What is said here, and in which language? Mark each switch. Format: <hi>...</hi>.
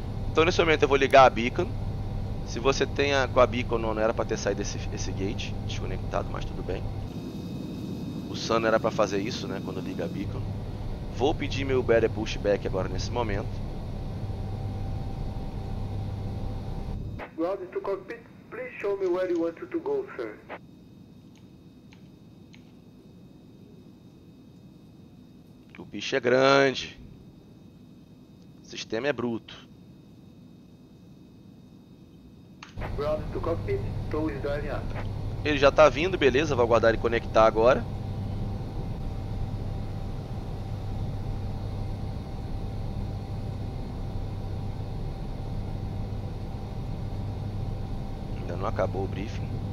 <pt>Então, nesse momento, eu vou ligar a beacon. Se você tem a, com a beacon, não era para ter saído esse gate desconectado, mas tudo bem. O Sun era para fazer isso, né? Quando liga a beacon. Vou pedir meu battery pushback agora nesse momento.</pt> <en>Ground to cockpit, please show me where you want to go, sir.</en> <pt>O bicho é grande. O sistema é bruto.</pt> <en>Ground to cockpit, tow is driving up.</en> <pt>Ele já tá vindo, beleza. Vou aguardar ele conectar agora. Não acabou o briefing.</pt>